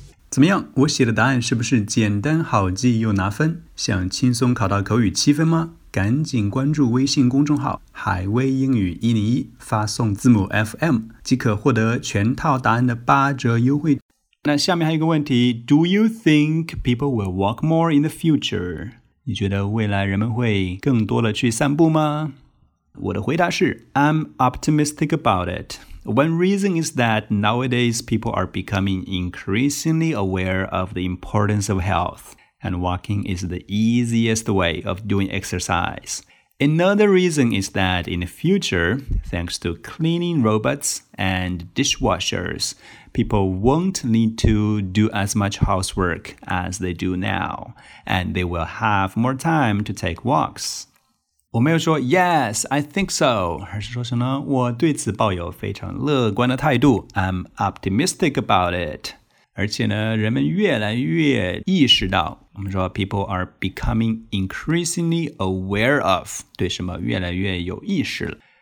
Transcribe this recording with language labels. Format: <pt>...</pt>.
<zh>怎么样，我写的答案是不是简单好记又拿分？想轻松考到口语七分吗？赶紧关注微信公众号海威英语101，发送字母 FM 即可获得全套答案的8折优惠。那下面还有一个问题，</zh> <en>Do you think people will walk more in the future?</en> <zh>你觉得未来人们会更多的去散步吗？我的回答是</zh> <en>I'm optimistic about it. One reason is that nowadays people are becoming increasingly aware of the importance of health, and walking is the easiest way of doing exercise. Another reason is that in the future, thanks to cleaning robots and dishwashers, people won't need to do as much housework as they do now, and they will have more time to take walks.</en> <zh>我没有说</zh> <en>yes, I think so,</en> <zh>而是说什么我对此抱有非常乐观的态度</zh> <en>I'm optimistic about it.</en> <zh>而且呢，人们越来越意识到，我们说</zh> <en>people are becoming increasingly aware of,</en> <zh>对什么越来越有意识了。</zh>